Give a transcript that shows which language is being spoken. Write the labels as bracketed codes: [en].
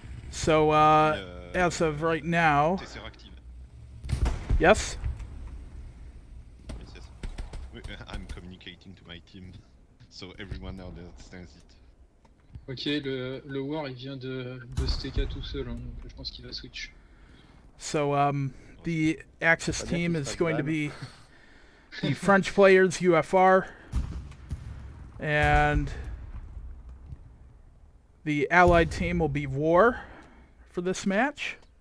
[en] So, as of right now... Yes? Yes, yes. I'm communicating to my team, so everyone understands it. [fr] Ok, le war, il vient de Steka tout seul, hein, donc je pense qu'il va switch. [en] So, the Axis team is going to be the French players, UFR, and the Allied team will be War for this match.